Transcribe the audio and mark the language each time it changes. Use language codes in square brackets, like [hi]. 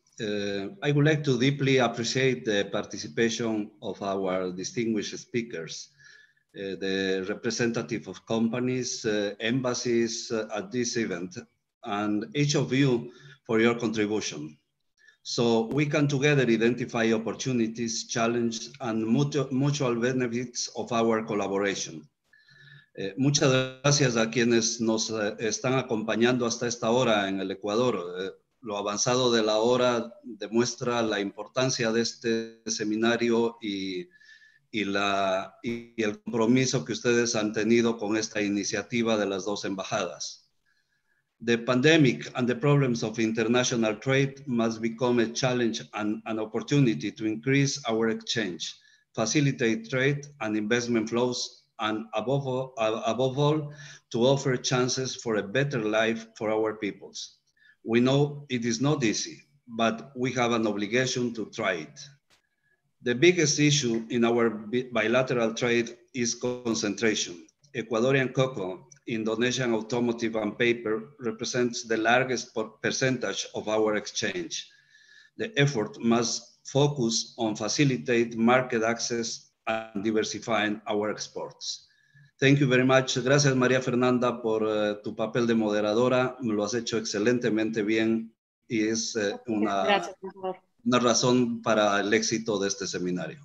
[en] I would like to deeply appreciate the participation of our distinguished speakers, the representative of companies, embassies at this event, and each of you for your contribution, so we can together identify opportunities, challenges, and mutual benefits of our collaboration. [es] Muchas gracias a quienes nos están acompañando hasta esta hora en el Ecuador. Lo avanzado de la hora demuestra la importancia de este seminario y el compromiso que ustedes han tenido con esta iniciativa de las dos embajadas. [en] The pandemic and the problems of international trade must become a challenge and an opportunity to increase our exchange, facilitate trade and investment flows, and above all, to offer chances for a better life for our peoples. We know it is not easy, but we have an obligation to try it. The biggest issue in our bilateral trade is concentration. Ecuadorian cocoa, Indonesian automotive and paper represents the largest percentage of our exchange. The effort must focus on facilitate market access and diversifying our exports. Thank you very much. [es] Gracias, María Fernanda, por tu papel de moderadora. Me lo has hecho excelentemente bien y es una razón para el éxito de este seminario.